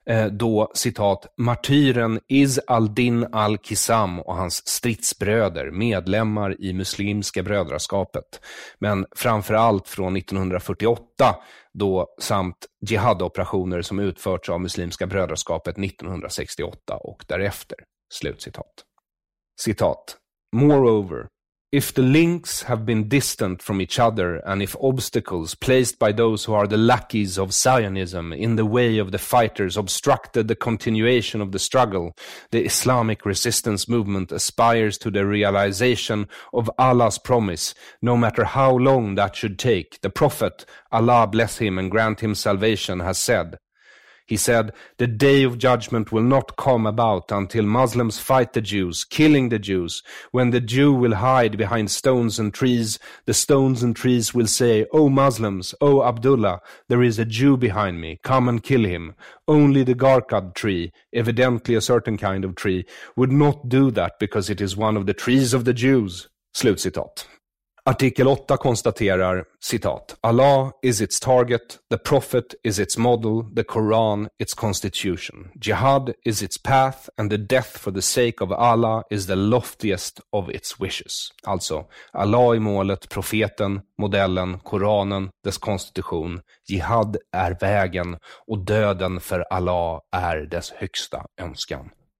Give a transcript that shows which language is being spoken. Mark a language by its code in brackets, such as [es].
[sv] Då, citat, martyren Iz al-Din al-Qisam och hans stridsbröder, medlemmar i muslimska brödraskapet. Men framförallt från 1948, då samt jihadoperationer som utförts av muslimska brödraskapet 1968 och därefter. Slutcitat. Citat. [en] Moreover, If the links have been distant from each other, and if obstacles placed by those who are the lackeys of Zionism in the way of the fighters obstructed the continuation of the struggle, the Islamic resistance movement aspires to the realization of Allah's promise, no matter how long that should take. The Prophet, Allah bless him and grant him salvation, has said. He said, the day of judgment will not come about until Muslims fight the Jews, killing the Jews. When the Jew will hide behind stones and trees, the stones and trees will say, O Muslims, O Abdullah, there is a Jew behind me, come and kill him. Only the Garkad tree, evidently a certain kind of tree, would not do that because it is one of the trees of the Jews. [sv] Slut citat. Artikel 8 konstaterar, citat, [en] Allah is its target, the Prophet is its model, the Quran its constitution. Jihad is its path and the death for the sake of Allah is the loftiest of its wishes. [sv] Alltså, Allah är målet, profeten, modellen, Koranen, dess konstitution. Jihad är vägen och döden för Allah är dess högsta önskan.